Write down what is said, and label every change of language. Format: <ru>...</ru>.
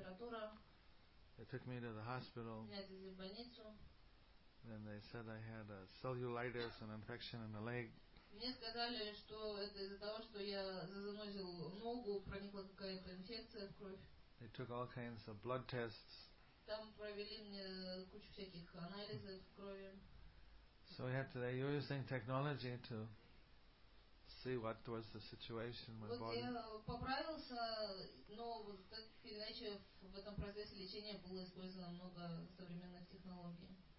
<en>They took me to the hospital. Then they said I had a cellulitis, an infection in the leg.</en> <ru>Мне сказали, что это из-за того, что я занозил ногу, проникла какая-то инфекция в кровь.</ru> <en>They took all kinds of blood tests.</en> <ru>Там провели мне кучу всяких анализов в крови.</ru> <en>So we had to, they were using technology to see what was the situation in my body.</en> <ru>Вот я поправился, но вот так или иначе в этом процессе лечения было использовано много современных технологий.</ru>